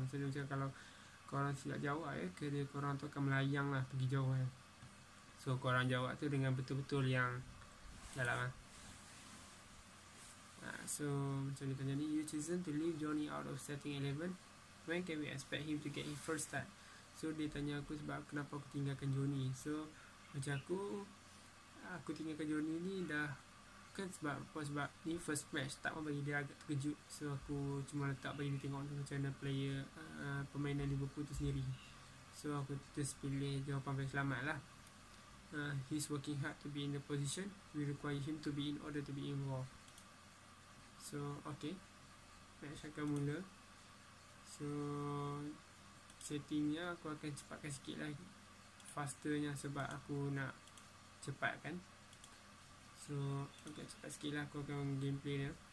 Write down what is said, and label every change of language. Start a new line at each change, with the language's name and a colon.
Malay: Maksudnya macam kalau korang silap jawab ya, kerjaya korang tu akan melayang lah pergi jauh kan. So korang jawab tu dengan betul-betul yang dalam lah. So macam dia tanya ni,
English: you chosen to leave Johnny out of starting 11, when can we expect him to get his first start?
Malay: So dia tanya aku sebab kenapa aku tinggalkan Johnny. So macam aku tinggalkan Johnny ni dah kan, sebab ni first match, tak apa bagi dia agak terkejut. So aku cuma letak bagi dia tengok macam mana player permainan Liverpool tu sendiri. So aku just pilih jawapan paling selamat lah.
English: He's working hard to be in the position we require him to be in order to be involved.
Malay: So okay, match akan mula. So settingnya aku akan cepatkan sikit lah, fasternya, sebab aku nak cepat kan. So aku akan cepat sikit lah aku akan gameplay dia.